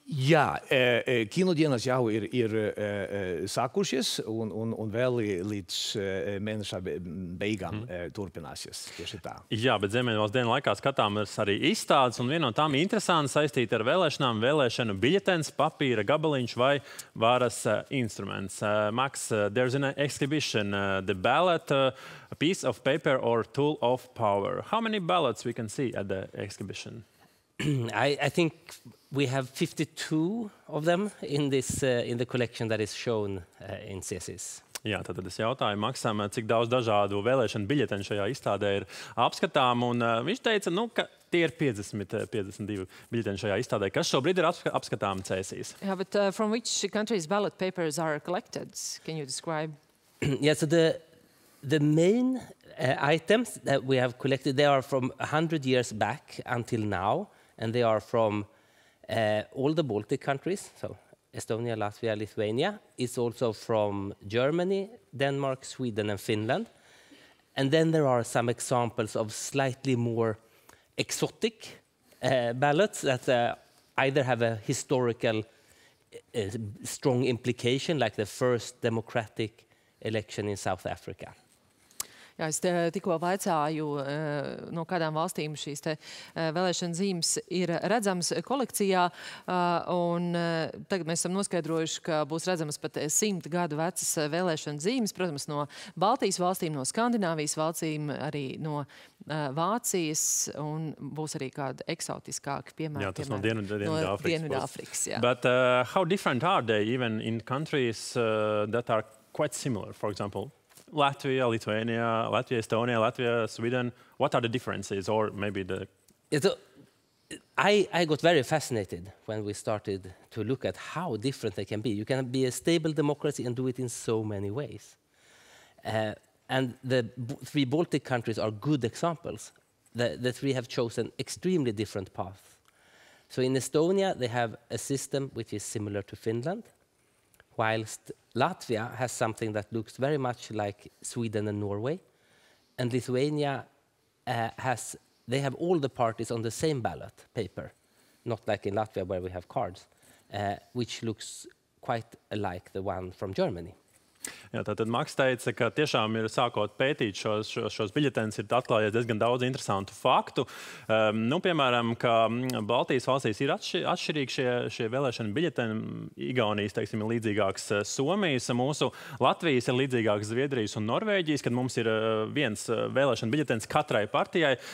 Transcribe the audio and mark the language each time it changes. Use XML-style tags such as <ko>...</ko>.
<lv>Jā, kinodienas jau ir sākušies un vēl līdz mēneša beigām turpināsies tieši tā. Jā, bet Ziemeļvalstu dienu laikā skatāmies arī izstādes, un viena no tām interesanti saistīta ar vēlēšanām, vēlēšanu biļetens, papīra gabaliņš vai varas instruments.</lv> <en>Max, there's an exhibition, the ballot, a piece of paper or tool of power. How many ballots we can see at the exhibition? I think we have 52 of them in this in the collection that is shown in CSS.</en> <lv>Jā, tātad es jautāju Maksam, cik daudz dažādu vēlēšanu biļetenu šajā izstādē ir apskatām, un viņš teica, ka tie ir 52 biļetenu šajā izstādē. Kas šobrīd ir apskatām Cēsīs?</lv> <en>Yeah, but from which countries ballot papers are collected? Can you describe? Yeah, so the main items that we have collected, they are from 100 years back until now, and they are from all the Baltic countries, so Estonia, Latvia, Lithuania. It's also from Germany, Denmark, Sweden, and Finland. And then there are some examples of slightly more exotic ballots that either have a historical strong implication, like the first democratic election in South Africa.</en> <lv>Jā, es tikko vaicāju, no kādām valstīm šīs te vēlēšana zīmes ir redzamas kolekcijā, un tagad mēs esam noskaidrojuši, ka būs redzamas pat 100 gadu vecas vēlēšana zīmes, protams, no Baltijas valstīm, no Skandināvijas valstīm, arī no Vācijas, un būs arī kāda eksotiskāka piemēra. Jā, tas no Dienvidāfrikas, jā.</lv> <en>But how different are they even in countries that are quite similar, for example? Latvia, Lithuania, Latvia, Estonia, Latvia, Sweden. What are the differences, or maybe the? So, I got very fascinated when we started to look at how different they can be. You can be a stable democracy and do it in so many ways. And the three Baltic countries are good examples. The three have chosen extremely different paths. So in Estonia, they have a system which is similar to Finland, whilst Latvia has something that looks very much like Sweden and Norway, and Lithuania has, they have all the parties on the same ballot paper. not like in Latvia where we have cards, which looks quite like the one from Germany.</en> <lv>Jā, tātad Maks teica, ka tiešām ir sākot pētīt šos biļetenus, ir atklājies diezgan daudz interesantu faktu. Piemēram, ka Baltijas valstīs ir atšķirīgi šie vēlēšana biļeteni. Igaunijas, teiksim, ir līdzīgāks Somijas, mūsu Latvijas ir līdzīgāks Zviedrijas un Norvēģijas, kad mums ir viens vēlēšana biļetenis katrai partijai.</lv>